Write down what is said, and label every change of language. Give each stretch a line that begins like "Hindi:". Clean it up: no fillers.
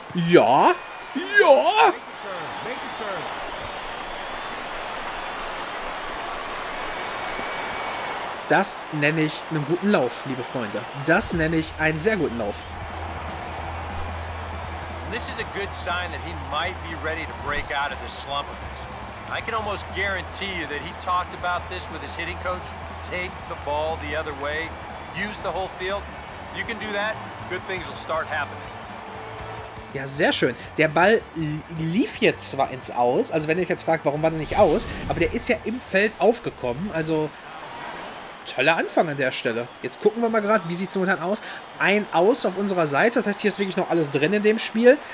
German: Ja, ja. Das nenne ich einen guten Lauf, liebe Freunde. Das nenne ich einen sehr guten Lauf.
English: This is a good sign that he might be ready to break out of this slump of his. I can almost guarantee you that he talked about this with his hitting coach. Take the ball the other way, use the whole field. You can do that, good things will start happening.
German: Ja, sehr schön. Der Ball lief jetzt zwar ins Aus, also wenn ihr euch jetzt fragt, warum war der nicht aus, aber der ist ja im Feld aufgekommen, also toller Anfang an der Stelle. Jetzt gucken wir mal gerade, wie sieht es momentan aus. Ein Aus auf unserer Seite, das heißt, hier ist wirklich noch alles drin in dem Spiel.